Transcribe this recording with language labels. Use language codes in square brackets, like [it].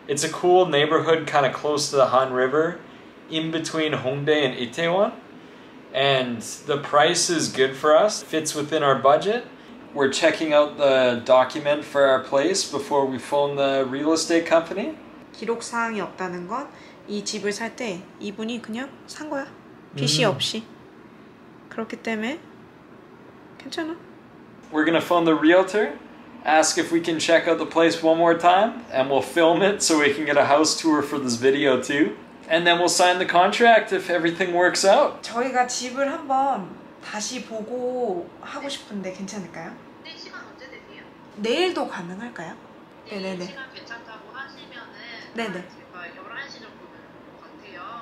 [en] It's a cool neighborhood kind of close to the Han River in between Hongdae and Itaewon. And the price is good for us, fits within our budget. We're checking out the document for our place before we phone the real estate company. [ko] 기록 사항이 없다는 건 이 집을 살 때 이분이 그냥 산 거야. 빚이 없이. 그렇기 때문에 괜찮아. [en] We're gonna phone the realtor, ask if we can check out the place one more time, and we'll film it so we can get a house tour for this video too. And then we'll sign the contract if everything works out. [ko] 저희가 집을 한번 다시 보고 하고 싶은데 괜찮을까요? 네, 시간 언제 되세요? 내일도 가능할까요? 네네네. 네, 시간 괜찮다고 하시면은 제가 11시 정도 될 것 같아요.